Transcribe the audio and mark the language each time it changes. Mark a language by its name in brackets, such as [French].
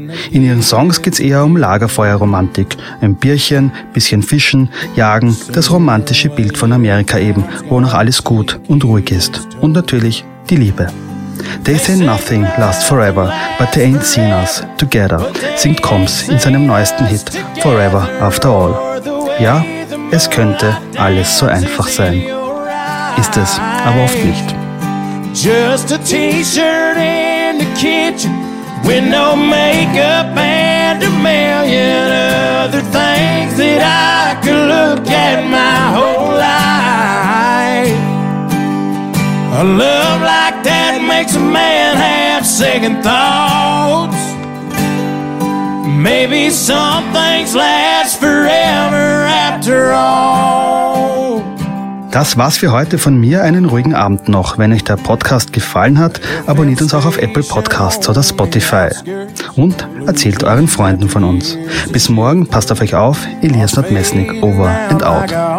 [German] In ihren Songs geht's eher um Lagerfeuerromantik, ein Bierchen, bisschen Fischen, Jagen, das romantische Bild von Amerika eben, wo noch alles gut und ruhig ist. Und natürlich die Liebe. [English] They say nothing lasts forever, but they ain't seen us together, [German] singt Combs in seinem neuesten Hit Forever After All. Ja, es könnte alles so einfach sein. Ist es aber oft nicht. [English] Just a t-shirt in the kitchen with no makeup and a million other things that I could look at my whole life. A love like that makes a man have second thoughts. Maybe some things last forever after all. [German] Das war's für heute von mir. Einen ruhigen Abend noch. Wenn euch der Podcast gefallen hat, abonniert uns auch auf Apple Podcasts oder Spotify. Und erzählt euren Freunden von uns. Bis morgen, passt auf euch auf. [English] Elias Nordmesnik, over and out.